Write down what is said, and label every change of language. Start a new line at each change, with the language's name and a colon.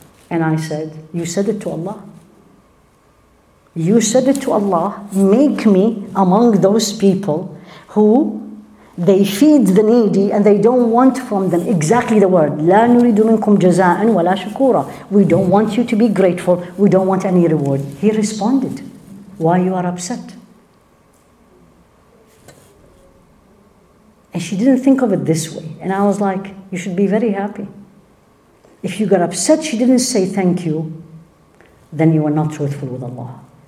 English: And I said, you said it to Allah. You said it to Allah. Make me among those people who they feed the needy and they don't want from them. Exactly the word.
Arabic: لا نريد منكم جزاء ولا شكورا.
English: We don't want you to be grateful. We don't want any reward. He responded, why you are upset? And she didn't think of it this way. And I was like, you should be very happy. If you got upset she didn't say thank you, then you were not truthful with Allah.